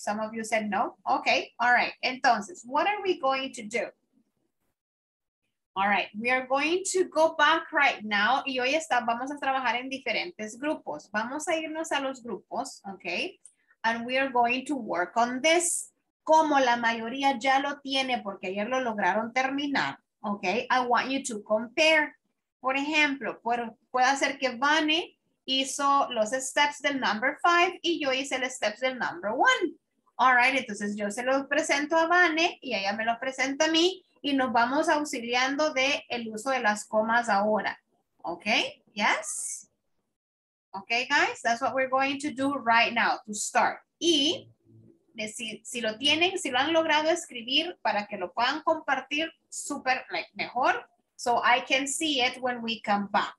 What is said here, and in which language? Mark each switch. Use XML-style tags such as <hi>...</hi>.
<en>Some of you said no. Okay, all right. Entonces, what are we going to do? All right, we are going to go back right now.</en> <es>Y hoy está, vamos a trabajar en diferentes grupos. Vamos a irnos a los grupos, okay?</es> <en>And we are going to work on this.</en> <es>Como la mayoría ya lo tiene porque ayer lo lograron terminar, okay?</es> <en>I want you to compare.</en> <es>Por ejemplo, puede hacer que Vane hizo los steps del number 5 y yo hice el steps del number 1. All right, entonces yo se lo presento a Vane y ella me lo presenta a mí y nos vamos auxiliando de el uso de las comas ahora.</es> <en>Okay? Yes? Okay, guys, that's what we're going to do right now to start.</en> <es>Y si lo tienen, si lo han logrado escribir para que lo puedan compartir super like mejor.</es> <en>So I can see it when we come back.</en>